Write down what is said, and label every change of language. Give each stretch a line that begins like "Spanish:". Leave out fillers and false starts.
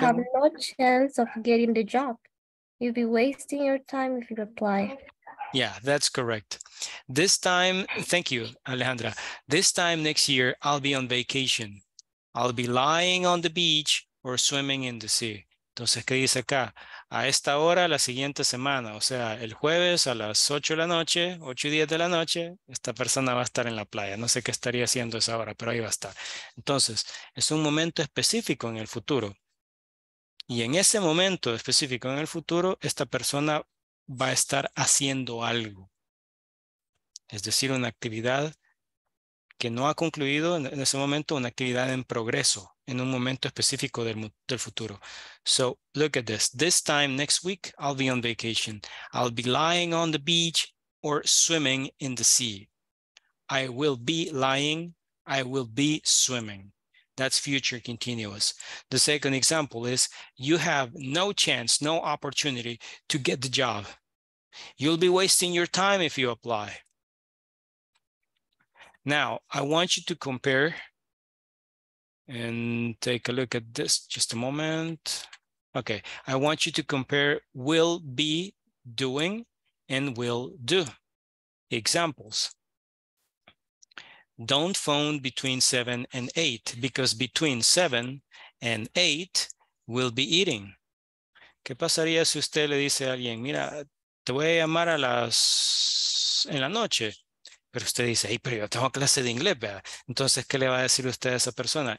English: You have no chance of getting the job. You'll be wasting your time if you apply. Yeah, that's correct. This time, thank you, Alejandra. This time next year, I'll be on vacation. I'll be lying on the beach or swimming in the sea.
Spanish: Entonces, ¿qué dice acá? A esta hora, la siguiente semana, o sea, el jueves a las 8 de la noche, 8 y 10 de la noche, esta persona va a estar en la playa. No sé qué estaría haciendo esa hora, pero ahí va a estar. Entonces, es un momento específico en el futuro. Y en ese momento específico en el futuro, esta persona va a estar haciendo algo. Es decir, una actividad que no ha concluido en ese momento, una actividad en progreso, en un momento específico del futuro.
English: So, look at this. This time next week, I'll be on vacation. I'll be lying on the beach or swimming in the sea. I will be lying. I will be swimming. That's future continuous. The second example is, you have no chance, no opportunity to get the job. You'll be wasting your time if you apply. Now, I want you to compare and take a look at this just a moment. Okay, I want you to compare will be doing and will do. Examples. Don't phone between 7 and 8 because between 7 and 8 will be eating.
Spanish: ¿Qué pasaría si usted le dice a alguien, mira, te voy a llamar a las en la noche? Pero usted dice, hey, pero yo tengo clase de inglés, ¿verdad? Entonces, ¿qué le va a decir usted a esa persona?